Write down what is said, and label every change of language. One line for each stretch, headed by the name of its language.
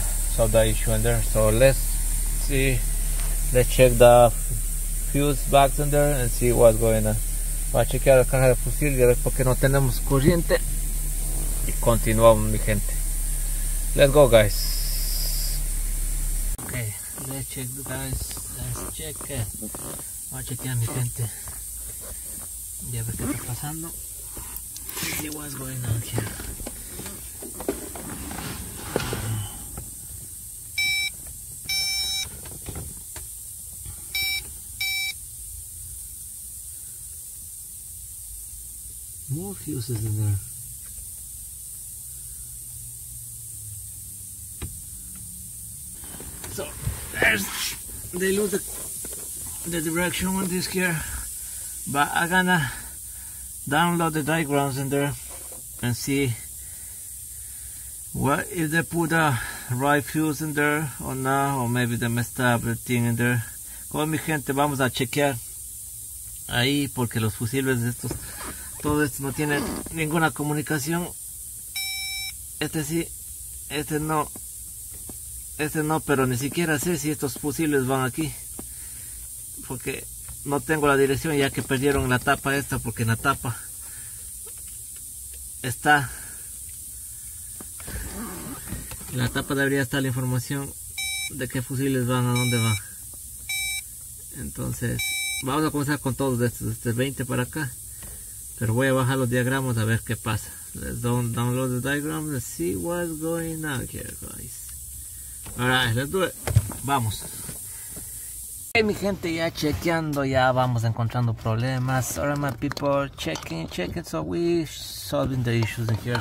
English: So the issue in there. So let's check the fuse box in there and see what's going on.
Spanish: Va a chequear la caja de fusil y a ver por qué no tenemos corriente. Y continuamos, mi gente.
English: Let's go, guys. Okay, let's check.
Spanish: Va a chequear, mi gente. Y a ver qué está pasando.
English: See what's going on here. More fuses in there. So there's they lose the direction on this here, but I'm gonna download the diagrams in there and see what if they put a right fuse in there or not, or maybe they messed up the thing in there.
Spanish: Con mi gente, vamos a chequear ahí porque los fusibles de estos. Todo esto no tiene ninguna comunicación. Este sí, este no. Este no, pero ni siquiera sé si estos fusibles van aquí, porque no tengo la dirección, ya que perdieron la tapa esta, porque en la tapa está. En la tapa debería estar la información de qué fusibles van, a dónde van. Entonces, vamos a comenzar con todos estos, desde 20 para acá. Pero voy a bajar los diagramas a ver qué pasa.
English: Let's download the diagram and see what's going on here, guys. Alright, let's do it.
Spanish: Vamos. Hey, mi gente, ya chequeando, ya vamos encontrando problemas.
English: Alright, my people, checking. So we're solving the issues in here.